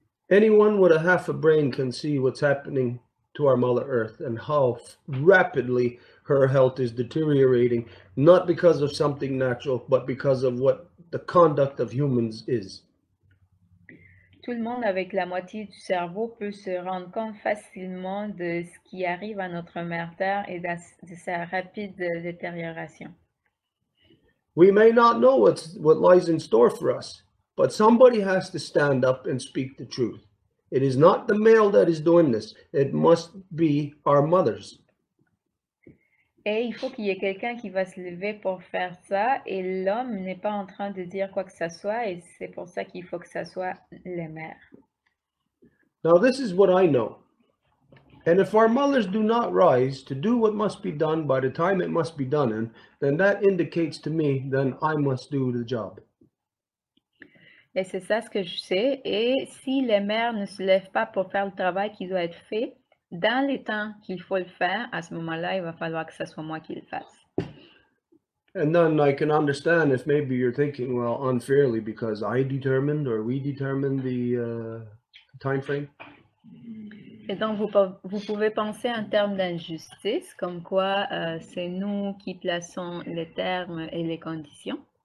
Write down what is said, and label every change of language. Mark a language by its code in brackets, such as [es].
[en] Anyone with a half a brain can see what's happening to our Mother Earth and how rapidly her health is deteriorating, not because of something natural, but because of what the conduct of humans is. [fr] Tout le monde avec la moitié du cerveau peut se rendre compte facilement de ce qui arrive à notre mère Terre et de sa rapide détérioration. [en] We may not know what lies in store for us, but somebody has to stand up and speak the truth. It is not the male that is doing this. It must be our mothers. [fr] Et il faut qu'il y ait quelqu'un qui va se lever pour faire ça, et l'homme n'est pas en train de dire quoi que ce soit, et c'est pour ça qu'il faut que ce soit les mères. [en] Now this is what I know. And if our mothers do not rise to do what must be done by the time it must be done in, then that indicates to me, then I must do the job. [fr] Et c'est ça ce que je sais, et si les mères ne se lèvent pas pour faire le travail qui doit être fait, dans les temps qu'il faut le faire, à ce moment-là, il va falloir que ce soit moi qui le fasse. [en] And then I can understand if maybe you're thinking, well, unfairly, because I determined or we determined the time frame. [fr] Et donc, vous pouvez penser en termes d'injustice, comme quoi c'est nous qui plaçons les termes et les conditions.